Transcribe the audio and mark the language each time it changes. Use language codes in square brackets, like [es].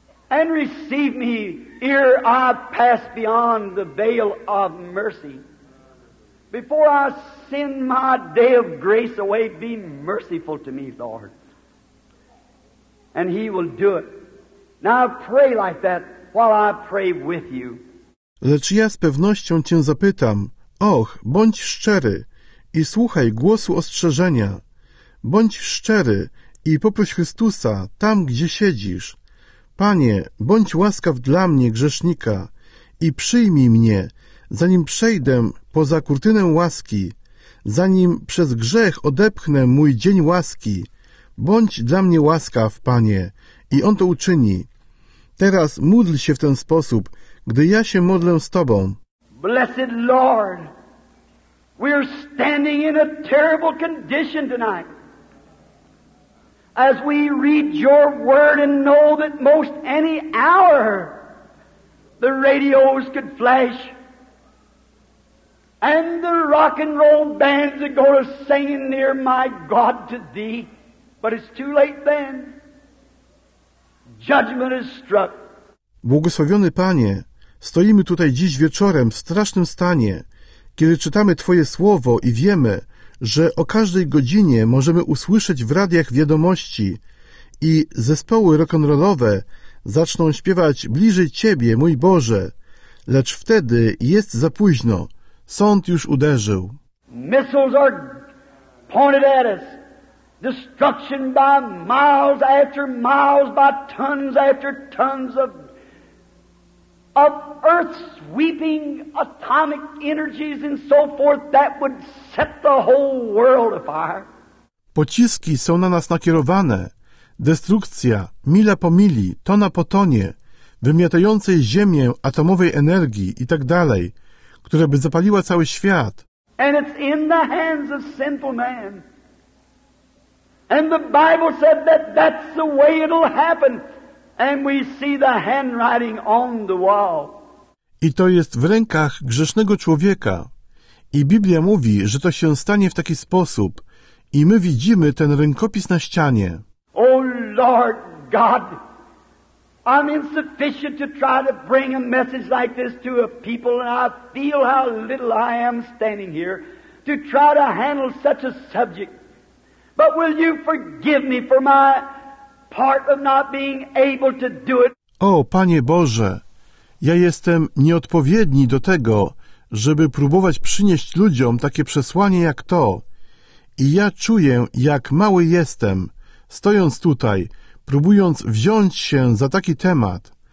[en] And receive me ere I pass beyond the veil of mercy. Before I send my day of grace away, be merciful to me, Lord. And he will do it. Now pray like that while I pray with you. [pl] Lecz ja z pewnością cię zapytam. Och, bądź szczery i słuchaj głosu ostrzeżenia. Bądź szczery i poproś Chrystusa tam, gdzie siedzisz. Panie, bądź łaskaw dla mnie, grzesznika, i przyjmij mnie, zanim przejdę poza kurtynę łaski, zanim przez grzech odepchnę mój dzień łaski. Bądź dla mnie łaskaw, Panie, i On to uczyni. Teraz módl się w ten sposób, gdy ja się modlę z Tobą. [en] Blessed Lord, we're standing in a terrible condition tonight. As we read your word and know that most any hour the radios could flash and the rock and roll bands would go to singing near my God to thee. But it's too late then. Judgment is struck. [pl] Błogosławiony Panie, stoimy tutaj dziś wieczorem w strasznym stanie, kiedy czytamy Twoje słowo i wiemy, że o każdej godzinie możemy usłyszeć w radiach wiadomości i zespoły rock'n'rollowe zaczną śpiewać bliżej Ciebie, mój Boże, lecz wtedy jest za późno. Sąd już uderzył. [en] Missiles are pointed at us. Destruction by miles after miles, by tons after tons of earth sweeping atomic energies and so forth that would set the whole world afire. [pl] Pociski są na nas nakierowane. Destrukcja, mila po mili, tona po tonie, wymiatającej ziemię atomowej energii i tak dalej, która by zapaliła cały świat. [en] And it's in the hands of sinful man. And the Bible said that that's the way it'll happen. And we see the handwriting on the wall. [pl] I to jest w rękach grzesznego człowieka. I Biblia mówi, że to się stanie w taki sposób. I my widzimy ten rękopis na ścianie. [en] O Lord God, I'm insufficient to try to bring a message like this to a people, and I feel how little I am standing here to try to handle such a subject. But will you forgive me for my part of not being able to do it. [pl] O Panie Boże, ja jestem nieodpowiedni do tego, żeby próbować przynieść ludziom takie przesłanie jak to. I ja czuję, jak mały jestem, stojąc tutaj, próbując wziąć się za taki temat.